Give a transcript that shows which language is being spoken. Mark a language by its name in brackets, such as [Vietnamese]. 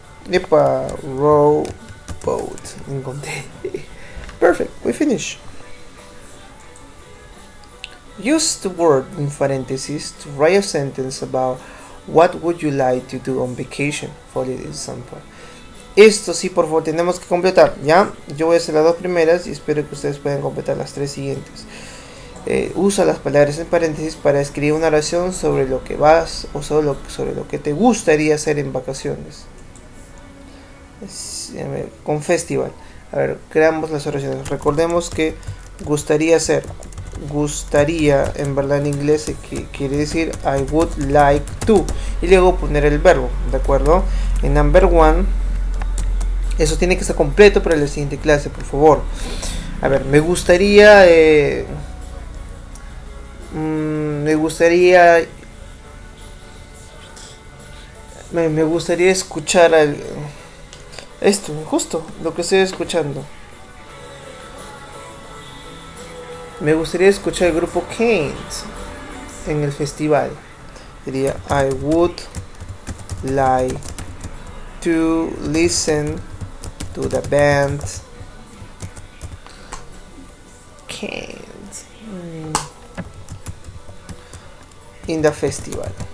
[Spanish] Epa, [English] row boat. [Spanish] Encontré. [English] Perfect, we finish. Use the word in parentheses to write a sentence about what would you like to do on vacation, for example. [Spanish] Esto sí, por favor, tenemos que completar, ¿ya? Yo voy a hacer las dos primeras y espero que ustedes puedan completar las tres siguientes. Usa las palabras en paréntesis para escribir una oración sobre lo que vas o sobre lo que te gustaría hacer en vacaciones. A ver, con festival. A ver, creamos las oraciones. Recordemos que gustaría ser, gustaría, en verdad en inglés, que quiere decir [English] I would like to. [Spanish] Y luego poner el verbo, ¿de acuerdo? En number one, eso tiene que estar completo para la siguiente clase, por favor. A ver, me gustaría escuchar esto, justo lo que estoy escuchando. Me gustaría escuchar el grupo Keynes en el festival. Diría, [English] I would like to listen to the band Keynes in the festival.